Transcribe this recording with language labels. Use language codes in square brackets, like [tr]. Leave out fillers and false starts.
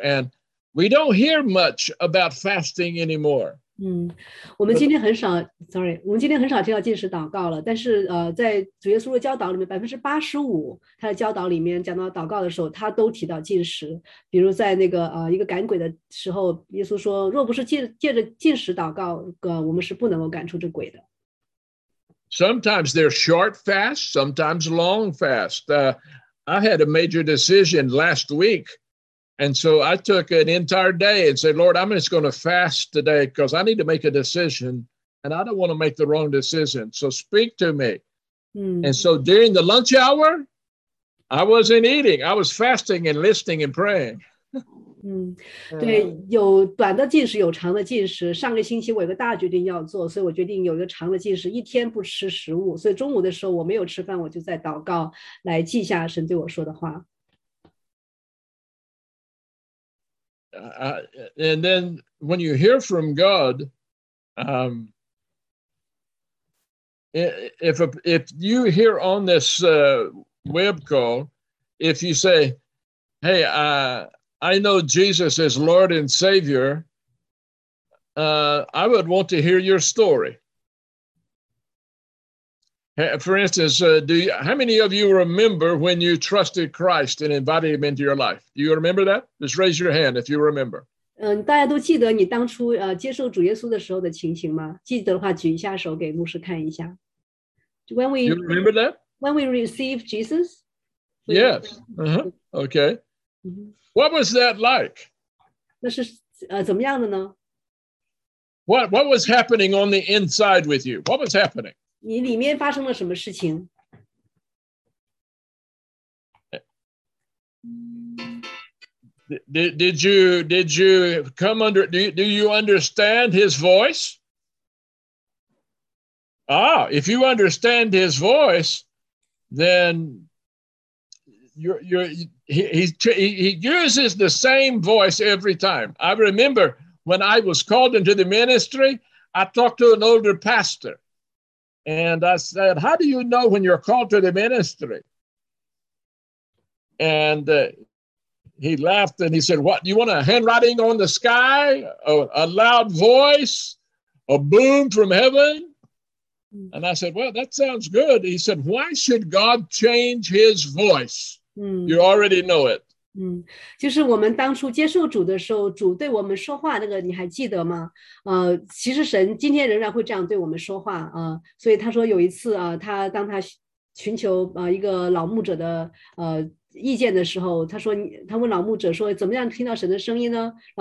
[en] And we don't hear much about fasting anymore. [zh] 我们今天很少听到禁食祷告了，但是在主耶稣的教导里面，85%他的教导里面讲到祷告的时候，他都提到禁食。比如在那个一个赶鬼的时候，耶稣说，若不是借着禁食祷告，我们是不能够赶出这鬼的。 [en] Sometimes they're short fast, sometimes long fast. I had a major decision last week. And so I took an entire day and said, Lord, I'm just going to fast today because I need to make a decision and I don't want to make the wrong decision. So speak to me. And so during the lunch hour, I wasn't eating. I was fasting and listening and praying. [zh] 对，有短的禁食，有长的禁食。上个星期我有个大决定要做，所以我决定有一个长的禁食，一天不吃食物。所以中午的时候我没有吃饭，我就在祷告来记下神对我说的话。 [en] And then when you hear from God, if you hear on this web call, if you say, hey, I know Jesus is Lord and Savior, I would want to hear your story. For instance, how many of you remember when you trusted Christ and invited him into your life? Do you remember that? Just raise your hand if you remember. [zh] 大家都记得你当初接受主耶稣的时候的情形吗？记得的话举一下手给牧师看一下。 [en] Do you remember that? When we received Jesus? Yes. Uh-huh. Okay. What was that like? [zh] 那是怎么样的呢? [en] What was happening on the inside with you? What was happening? [zh] 你里面发生了什么事情? [en] Did you come under, do you understand his voice? Ah, if you understand his voice, then he uses the same voice every time. I remember when I was called into the ministry, I talked to an older pastor. And I said, how do you know when you're called to the ministry? And he laughed and he said, what, you want a handwriting on the sky? A loud voice? A boom from heaven? And I said, well, that sounds good. He said, why should God change his voice? You already know it. [zh] 就是我们当初接受主的时候，主对我们说话，那个你还记得吗？其实神今天仍然会这样对我们说话。所以他说有一次，他当他寻求一个老牧者的意见的时候，他问老牧者说，怎么样听到神的声音呢？